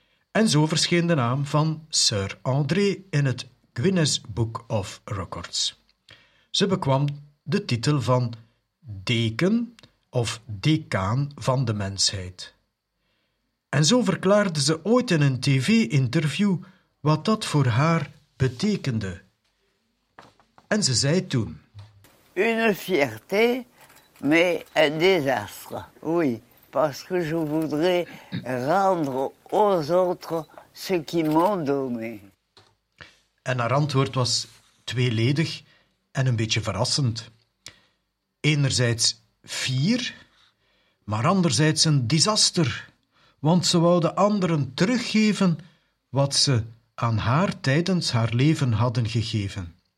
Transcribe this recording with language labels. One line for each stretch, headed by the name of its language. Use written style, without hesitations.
Dutch: En zo verscheen de naam van Sir André in het Guinness Book of Records. Ze bekwam de titel van deken of decaan van de mensheid. En zo verklaarde ze ooit in een tv-interview wat dat voor haar betekende. En ze zei toen:
French: une fierté, mais un désastre, oui. Parce que je voudrais rendre aux autres ce qui m'ont donné.
Dutch: En haar antwoord was tweeledig en een beetje verrassend. Enerzijds fier, maar anderzijds een disaster, want ze wou de anderen teruggeven wat ze aan haar tijdens haar leven hadden gegeven.